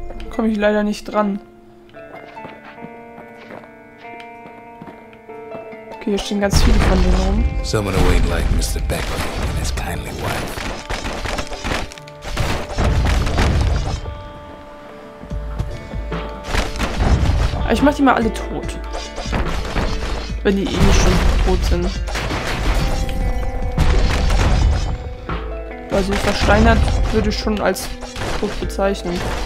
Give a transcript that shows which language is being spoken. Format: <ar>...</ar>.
<de>Komme ich leider nicht dran. Okay, hier stehen ganz viele von denen rum.</de> <en>Someone awaiting like Mr. Beckley and his kindly wife.</en> <de>Ich mach die mal alle tot. Wenn die eh schon tot sind. Weil sie versteinert, würde ich schon als tot bezeichnen.</de>